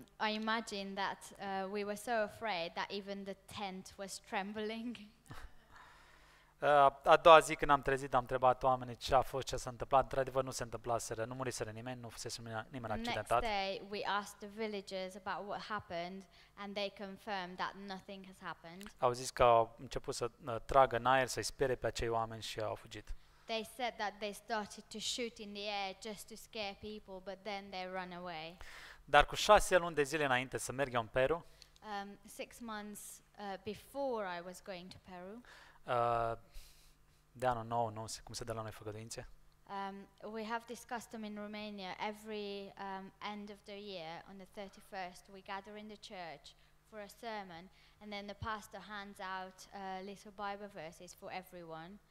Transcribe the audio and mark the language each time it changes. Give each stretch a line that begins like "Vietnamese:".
English: I imagine that we were so afraid that even the tent was trembling.
Romanian: A doua zi când am trezit, am întrebat oamenii ce a fost, ce s-a întâmplat. Într-adevăr nu se întâmplaseră, nu murisere nimeni, nu fusese nimeni accidentat.
English: Next day we asked the villagers about what happened and they confirmed that nothing has happened.
Romanian: Au zis că au început să tragă în aer, să-i spere pe acei oameni și au fugit.
English: They said that they started to shoot in the air just to scare people, but then they run away.
Romanian: Dar cu 6 luni de zile înainte să merg eu în Peru.
English: 6 months before I was going to Peru.
Romanian: De anul nou, nu se cum se dă la noi făgăduințe.
English: We have discussed them in Romania every end of the year on the 31st we gather in the church for a sermon and then the pastor hands out little Bible verses for everyone.